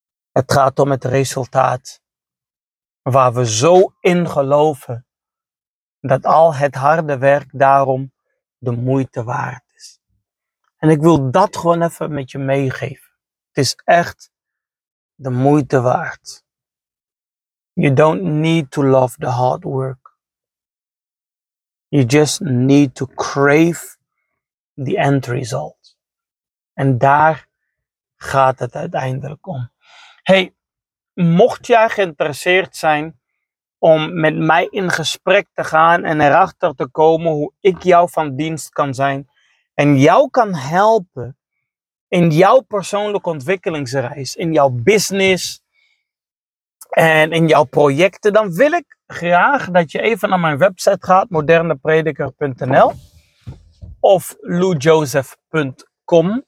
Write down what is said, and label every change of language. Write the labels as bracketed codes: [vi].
[nl] Het gaat om het resultaat waar we zo in geloven dat al het harde werk daarom de moeite waard is. En ik wil dat gewoon even met je meegeven. Het is echt de moeite waard. [en] You don't need to love the hard work. You just need to crave the end result. [nl] En daar gaat het uiteindelijk om. Hey, mocht jij geïnteresseerd zijn om met mij in gesprek te gaan en erachter te komen hoe ik jou van dienst kan zijn en jou kan helpen in jouw persoonlijke ontwikkelingsreis, in jouw business en in jouw projecten, dan wil ik graag dat je even naar mijn website gaat, modernaprediker.nl of loujoseph.com.